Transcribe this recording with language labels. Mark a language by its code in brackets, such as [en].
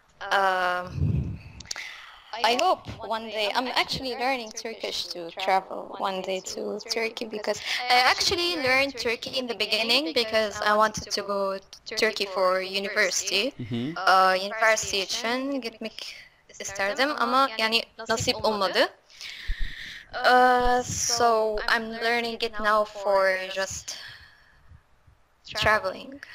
[en] I hope one day I'm actually learning Turkish to travel one day to Turkey because I actually learned Turkey in the beginning because I wanted to go to Turkey for university. [tr] University için gitmek isterdim ama yani nasip olmadı. [en] So I'm learning it now for just traveling.